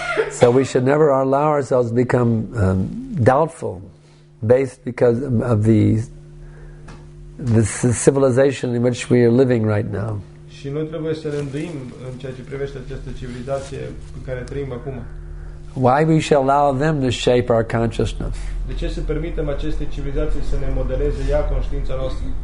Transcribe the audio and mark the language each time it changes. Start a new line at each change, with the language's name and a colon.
English: So we should never allow ourselves to become doubtful based because of the civilization in which we are living right now.
Romanian: Și noi trebuie să ne îndoim în ceea ce privește această civilizație în care trăim acum.
English: Why we should allow them to shape our consciousness?
Romanian: De ce să permitem acestei civilizații să ne modeleze ea conștiința noastră?